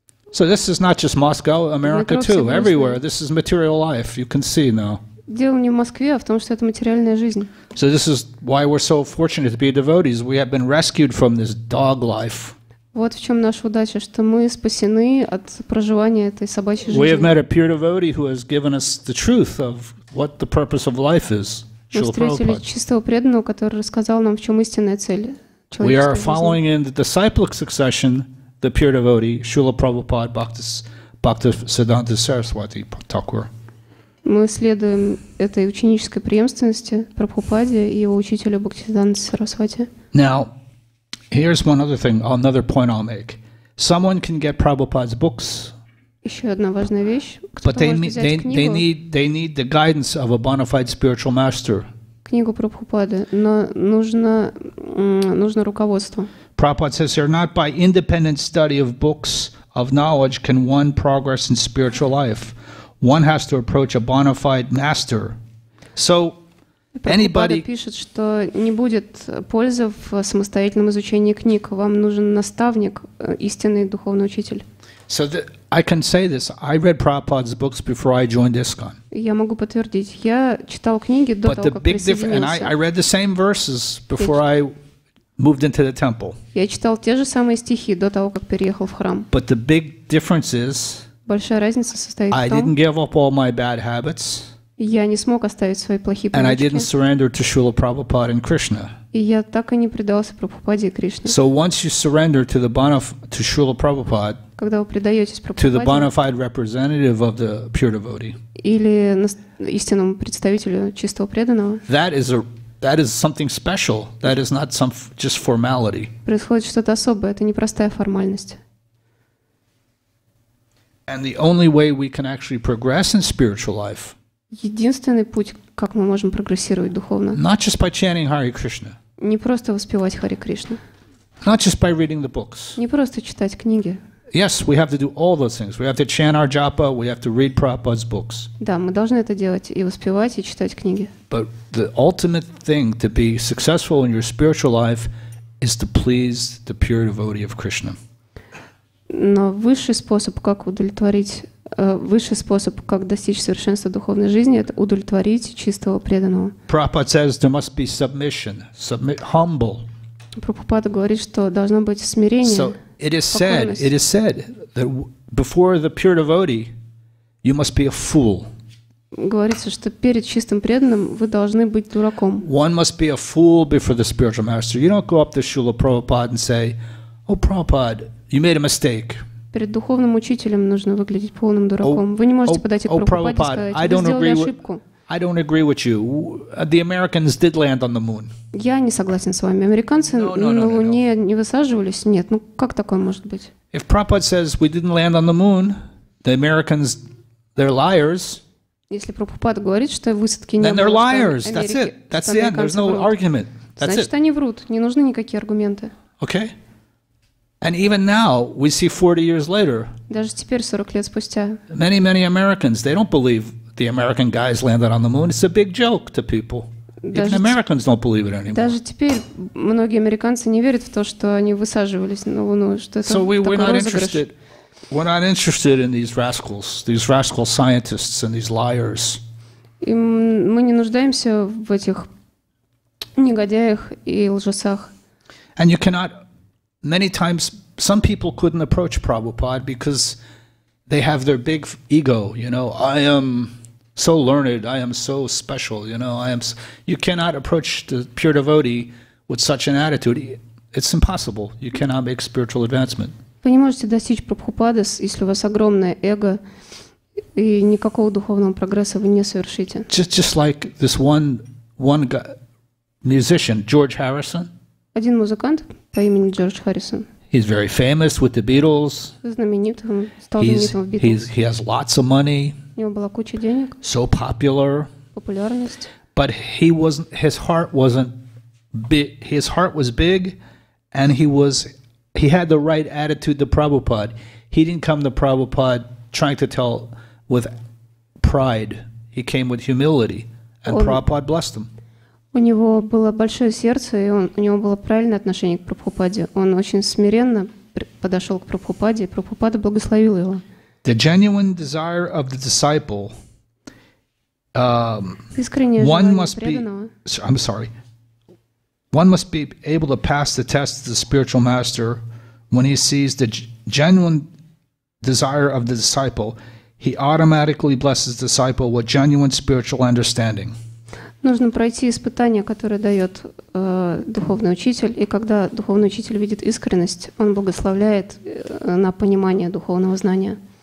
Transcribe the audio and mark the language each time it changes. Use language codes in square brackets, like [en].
[en] So this is not just Moscow, America too. Everywhere, this is material life. You can see now. [ru] Дело не в Москве, а в том, что это материальная жизнь. [en] So this is why we're so fortunate to be devotees. We have been rescued from this dog life. [ru] Вот в чем наша удача, что мы спасены от проживания этой собачьей жизни. [en] We have met a pure devotee who has given us the truth of what the purpose of life is. [ru] Мы встретили чистого преданного, который рассказал нам, в чем истинная цель. [en] We are following in the disciplic succession, the pure devotee, Srila Prabhupada Bhaktisiddhanta Saraswati Thakur. [ru] Мы следуем этой ученической преемственности Прабхупаде и его учителю Бхактисиддханте Сарасвати. [en] Now, here's one other thing, another point I'll make. Someone can get Prabhupada's books. [ru] Еще одна важная вещь. [en] But they need the guidance of a bona fide spiritual master. [ru] Книгу Прабхупады, но нужно руководство. [en] Prabhupada says here, not by independent study of books of knowledge can one progress in spiritual life. One has to approach a bona fide master. So anybody [ru] пишет, что не будет пользы в самостоятельном изучении книг. Вам нужен наставник, истинный духовный учитель. [en] So I can say this. I read Prabhupada's books before I joined ISKCON. [ru] Я могу подтвердить. Я читал книги до того, как присоединился. [en] And I read the same verses before I moved into the temple. [ru] Я читал те же самые стихи до того, как переехал в храм. [en] But the big difference is [ru] большая разница состоит в том, [en] I didn't give up all my bad habits. [ru] Я не смог оставить свои плохие привычки. [en] And I didn't surrender to Srila Prabhupada and Krishna. [ru] И я так и не предался Прабхупаде и Кришне. [en] So once you surrender to the to Srila Prabhupada, [ru] когда вы предаетесь Прабхупаде, [en] to the bona fide representative of the pure devotee, [ru] или истинному представителю чистого преданного, [en] that is something special. That is not some just formality. [ru] Происходит что-то особое. Это не простая формальность. [en] And the only way we can actually progress in spiritual life. [ru] Единственный путь, как мы можем прогрессировать духовно. [en] Not just by chanting Hare Krishna. [ru] Не просто воспевать Харе Кришну. [en] Not just by reading the books. [ru] Не просто читать книги. [en] Yes, we have to do all those things. We have to chant our japa. We have to read Prabhupada's books. [ru] Да, мы должны это делать и воспевать и читать книги. [en] But the ultimate thing to be successful in your spiritual life is to please the pure devotee of Krishna. [ru] Но высший способ, как достичь совершенства духовной жизни, это удовлетворить чистого преданного. [en] Prabhupada says there must be submission, humble. [ru] Прабхупада говорит, что должно быть смирение. [en] So it is said that before the pure devotee, you must be a fool. [ru] Говорится, что перед чистым преданным вы должны быть дураком. [en] One must be a fool before the spiritual master. You don't go up to Srila Prabhupada and say, "Oh, Prabhupada, you made a mistake." [ru] Перед духовным учителем нужно выглядеть полным дураком. Вы не можете подойти к Прабхупаде и сказать, вы сделали ошибку. [en] I don't agree with you. The Americans did land on the moon. [ru] Я не согласен с вами. Американцы на Луне не высаживались? Нет. Ну как такое может быть? [en] If Prabhupada says we didn't land on the moon, the Americans, they're liars. [ru] Если Прабхупада говорит, что высадки не было, [en] then they're liars. That's it. That's the end. There's no argument. [ru] Значит, они врут. Не нужны никакие аргументы. [en] Okay. And even now, we see 40 years later. [ru] Даже теперь 40 лет спустя. [en] Many, many Americans, they don't believe the American guys landed on the moon. It's a big joke to people. Even Americans don't believe it anymore. [ru] Даже теперь многие американцы не верят в то, что они высаживались на Луну, что это такой розыгрыш. [en] So we're not interested in these rascal scientists and these liars. [ru] И мы не нуждаемся в этих негодяях и лжецах. [en] And you cannot. Many times, some people couldn't approach Prabhupada because they have their big ego. You know, I am so learned. I am so special. You know, you cannot approach the pure devotee with such an attitude. It's impossible. You cannot make spiritual advancement. [ru] Вы не можете достичь Прабхупады, если у вас огромное эго и никакого духовного прогресса вы не совершите. [en] Just like this one guy, musician George Harrison. [ru] Один музыкант по имени Джордж Харрисон. [en] He's very famous with the Beatles. [ru] Знаменитым, стал знаменитым в Beatles. [en] He has lots of money. [ru] У него была куча денег. [en] So popular. [ru] Популярность. [en] But his heart was big, and he had the right attitude to Prabhupada. He didn't come to Prabhupada trying to tell with pride. He came with humility, and Prabhupada blessed him. [ru] У него было большое сердце, и у него было правильное отношение к Прабхупаде. Он очень смиренно подошел к Прабхупаде, и Прабхупада благословил его. [en] The genuine desire of the disciple, [ru] искреннее желание преданного. [en] I'm sorry. One must be able to pass the test of the spiritual master when he sees the genuine desire of the disciple. He automatically blesses the disciple with genuine spiritual understanding. [ru] Нужно пройти испытание, которое дает духовный учитель, и когда духовный учитель видит искренность, он благословляет на понимание духовного знания.